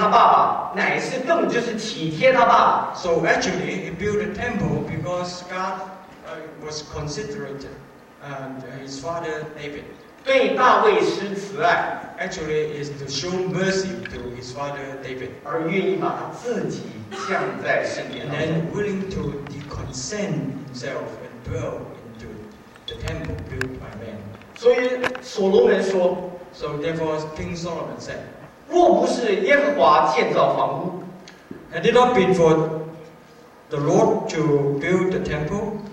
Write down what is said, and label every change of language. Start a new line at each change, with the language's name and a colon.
Chinese: 神之所以答应大卫建殿的请求，就是他爸爸乃是更就是体贴他爸爸。
English: So actually, he built a temple because God was considerate, and his father David.
Chinese: 对大卫施慈爱。
English: Actually, is to show mercy to his father David.
Chinese: 而愿意把自己降在圣殿。
English: And then willing to consent himself and dwell into the temple built by man.
Chinese: 所以所罗门说,
English: so therefore King Solomon said,
Chinese: 若不是耶和华建造房屋,
English: had it not been for the Lord to build the temple,